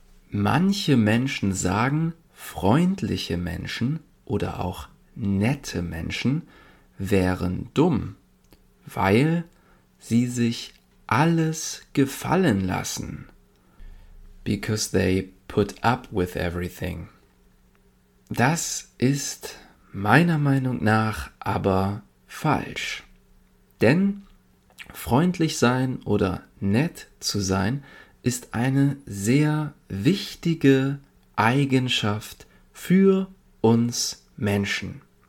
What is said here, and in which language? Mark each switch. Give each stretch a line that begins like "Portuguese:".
German: Manche Menschen sagen, freundliche Menschen oder auch nette Menschen wären dumm, weil sie sich alles gefallen lassen.
English: Because they put up with everything.
German: Das ist meiner Meinung nach aber falsch. Denn freundlich sein oder nett zu sein ist eine sehr wichtige Eigenschaft für uns Menschen.